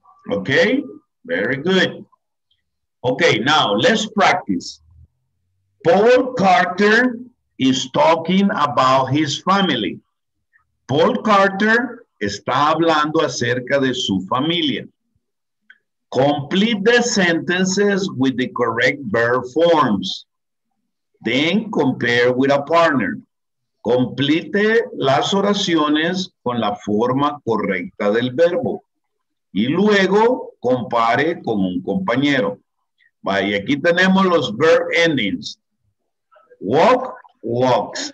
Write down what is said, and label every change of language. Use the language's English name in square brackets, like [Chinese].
[English] Okay, very good. Okay, now let's practice. Paul Carter is talking about his family. [Spanish] Paul Carter está hablando acerca de su familia. [English] Complete the sentences with the correct verb forms. Then compare with a partner. [Spanish] Complete las oraciones con la forma correcta del verbo. Y luego compare con un compañero. Y aquí tenemos los verb endings. Walk, walks.